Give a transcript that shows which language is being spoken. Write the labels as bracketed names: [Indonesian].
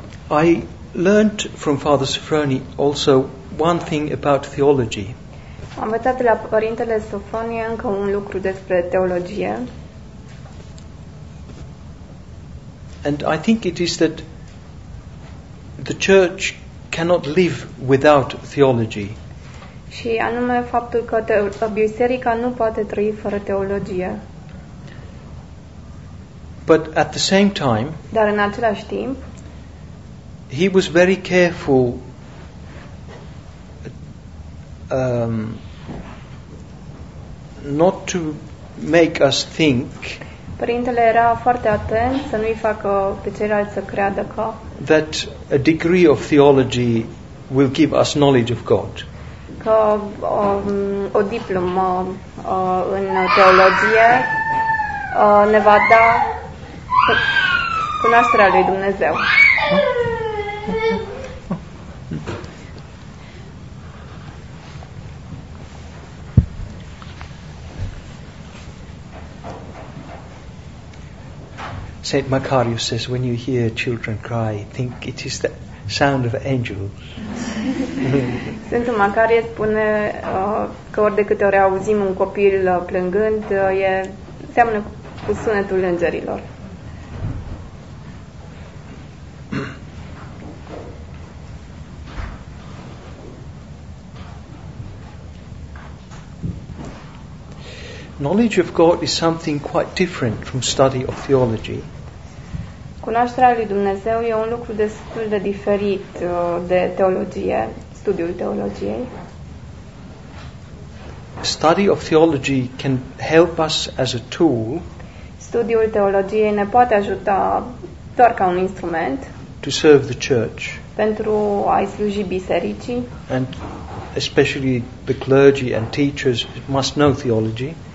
[English] I learned from Father Sofroni also one thing about theology. [Romanian] Am învățat de la părintele Sofronie încă un lucru despre teologie. [English] And I think it is that the church cannot live without theology. [Romanian] Și anume faptul că biserica nu poate trăi fără teologie. [English] But at the same time, [Romanian] dar în același timp, [English] he was very careful not to make us think. [Romanian] Părintele era foarte atent să nu-i facă pe ceilalți să creadă că [English] that a degree of theology will give us knowledge of God. [Romanian] Că o diplomă în teologie ne va da cunoașterea lui Dumnezeu. [English] Saint Macarius says, when you hear children cry, think it is the sound of angels. [Romanian] Sfântul Macarie spune că ori de câte ori auzim un copil plângând, seamănă cu sunetul îngerilor. [English] Knowledge of God is something quite different from study of theology. [Romanian] Cunoașterea lui Dumnezeu e un lucru destul de diferit de teologie, studiul teologiei. [English] Study of theology can help us as a tool. [Romanian] Studiul teologiei ne poate ajuta doar ca un instrument. [English] To serve the church. [Romanian] Pentru a-i sluji bisericii. [English] And especially the clergy and teachers must know theology.